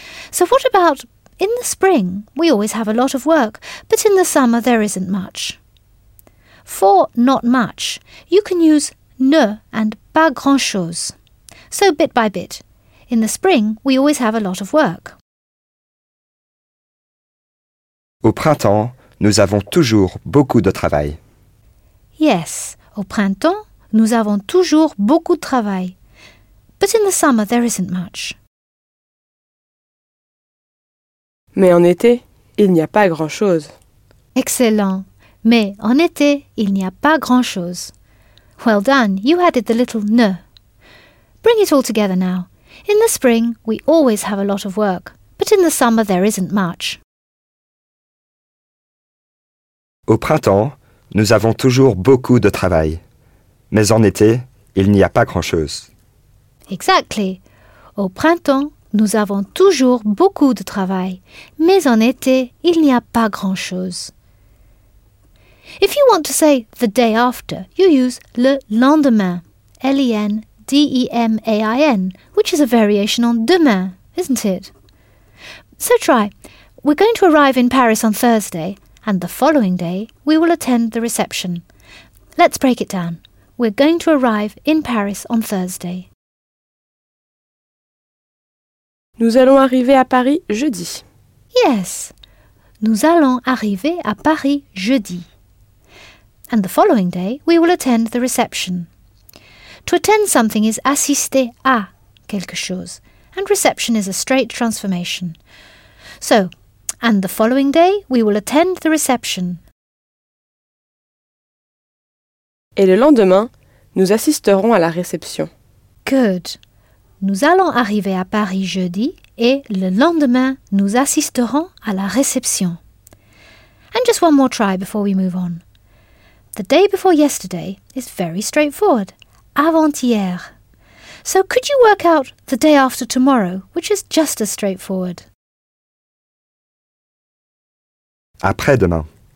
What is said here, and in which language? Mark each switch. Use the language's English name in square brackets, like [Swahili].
[English] So what about in the spring? We always have a lot of work, but in the summer there isn't much. For not much, you can use ne and [French] pas grand-chose. [English] So bit by bit, in the spring we always have a lot of work. [French] Au printemps, nous avons toujours beaucoup de travail. [English] Yes. [French] Au printemps, nous avons toujours beaucoup de travail. [English] But in the summer, there isn't much. [French] Mais en été, il n'y a pas grand-chose. [English] Excellent. [French] Mais en été, il n'y a pas grand-chose. [English] Well done. You added the little ne. Bring it all together now. In the spring, we always have a lot of work. But in the summer, there isn't much. [French] Au printemps, nous avons toujours beaucoup de travail. Mais en été, il n'y a pas grand-chose. [English] Exactly. [French] Au printemps, nous avons toujours beaucoup de travail. Mais en été, il n'y a pas grand-chose. [English] If you want to say the day after, you use [French] le lendemain. [English] L-E-N-D-E-M-A-I-N, which is a variation on demain, isn't it? So try. We're going to arrive in Paris on Thursday. And the following day, we will attend the reception. Let's break it down. We're going to arrive in Paris on Thursday. [French] Nous allons arriver à Paris jeudi. [English] Yes. [French] Nous allons arriver à Paris jeudi. [English] And the following day, we will attend the reception. To attend something is [French] assister à quelque chose. [English] And reception is a straight transformation. So, and the following day, we will attend the reception. [French] Et le lendemain, nous assisterons à la réception. [English] Good. [French] Nous allons arriver à Paris jeudi et le lendemain, nous assisterons à la réception. [English] And just one more try before we move on. The day before yesterday is very straightforward. Avant-hier. So could you work out the day after tomorrow, which is just as straightforward? [French] Après-demain.